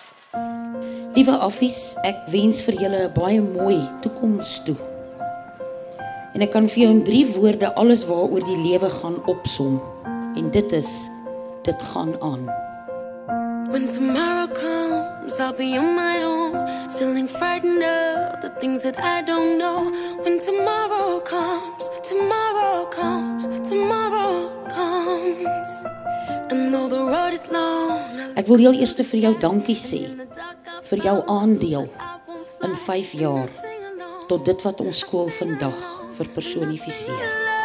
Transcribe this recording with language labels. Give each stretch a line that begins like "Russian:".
Afrikaans: Liewe Affies, ek wens vir julle 'n baie mooi toekoms toe. En ek kan vir jou in 3 woorde alles waaroor die lewe gaan opsom. En dit is, dit gaan aan.
English: When tomorrow comes, I'll be on my own, feeling frightened of the things that I don't know. When tomorrow comes, tomorrow comes, tomorrow comes. And though the road is long,
Afrikaans: ek wil heel eerste vir jou dankie sê vir jou aandeel in 5 jaar tot dit wat ons skool vandag verpersonifiseer.